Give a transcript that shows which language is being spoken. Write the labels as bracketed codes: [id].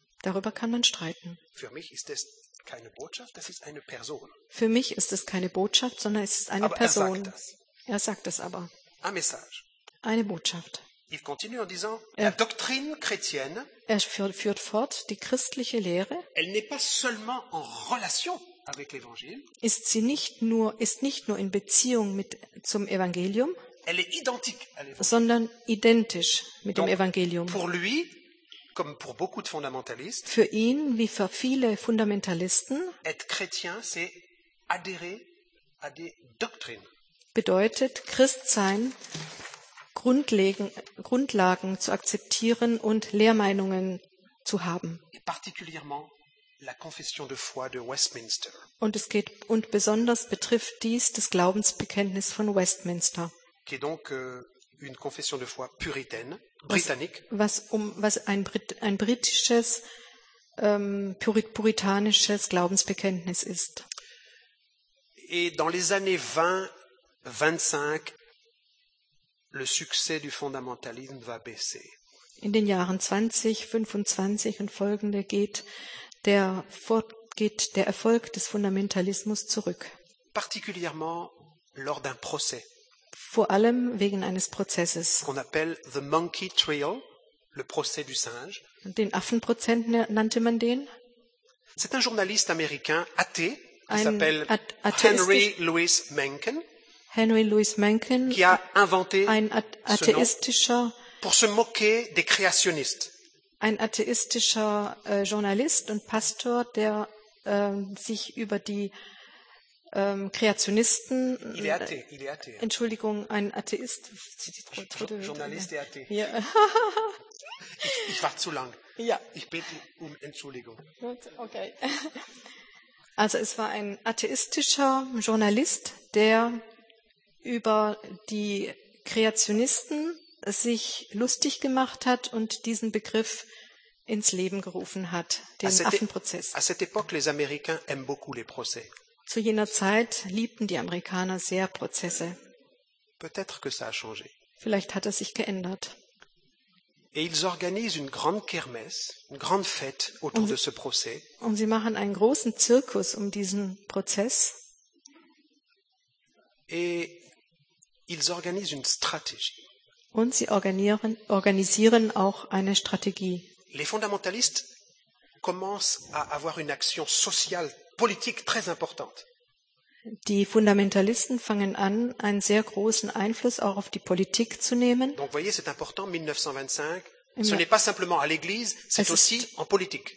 [de] Darüber kann man streiten. Für mich ist es keine Botschaft, das ist eine Person. Für mich ist es keine Botschaft, sondern es ist eine aber Person. Er sagt es aber. [fr] Un message. [de] Eine Botschaft. [fr] Il continue en disant, la doctrine chrétienne, [de] er führt fort die christliche Lehre. [fr] Elle n'est pas seulement en relation avec l'évangile. [de] Ist nicht nur in Beziehung zum Evangelium. [fr] Elle est identique à l'évangile. [de] Sondern identisch mit dem Evangelium. [fr] Pour lui, comme pour beaucoup de fundamentalistes, [de] für ihn wie für viele Fundamentalisten, [fr] être chrétien, c'est adhérer à des doctrines. [de] Bedeutet Christsein Grundlagen zu akzeptieren und Lehrmeinungen zu haben. [fr] Et particulièrement la confession de foi de Westminster. [de] Und besonders betrifft dies das Glaubensbekenntnis von Westminster. [fr] Qui est donc une confession de foi puritaine. britannique. [de] Was ein britisches puritanisches Glaubensbekenntnis ist. [fr] Et dans les années 20-25, le succès du fondamentalisme va baisser. [de] In den Jahren 20, 25 und folgende geht der Erfolg des Fundamentalismus zurück. [fr] Particulièrement lors d'un procès. [de] Vor allem wegen eines Prozesses. [fr] Qu'on appelle the Monkey Trial, le procès du singe. [de] Den Affenprozess nannte man den. [fr] C'est un journaliste américain athée qui s'appelle Henry Louis Mencken. [de] Henry Louis Mencken, [fr] qui a inventé [de] ein atheistischer, [fr] ce nom pour se moquer des créationnistes. [de] Ein atheistischer Journalist und Pastor, der sich über die Kreationisten. [fr] Il est athée. [de] Entschuldigung, ein Atheist. [fr] Journalist et athée. [de] Ja. ich war zu lang. Ja. Ich bitte Entschuldigung. Gut, okay. Also, es war ein atheistischer Journalist, der über die Kreationisten sich lustig gemacht hat und diesen Begriff ins Leben gerufen hat, den Affenprozess. [fr] À cette époque, les Américains aiment beaucoup les procès. [de] Zu jener Zeit liebten die Amerikaner sehr Prozesse. [fr] Peut-être que ça a changé. [de] Vielleicht hat es sich geändert. [fr] Et ils organisent une grande kermesse, une grande fête autour de ce procès. [de] Und sie machen einen großen Zirkus um diesen Prozess. [fr] Et ils organisent une stratégie. [de] Und sie organisieren auch eine Strategie. [fr] Les fondamentalistes commencent à avoir une action sociale politique très importante. [de] Die Fundamentalisten fangen an, einen sehr großen Einfluss auch auf die Politik zu nehmen. [fr] Donc voyez, c'est important, 1925, ce n'est pas simplement à l'église, c'est aussi en politique.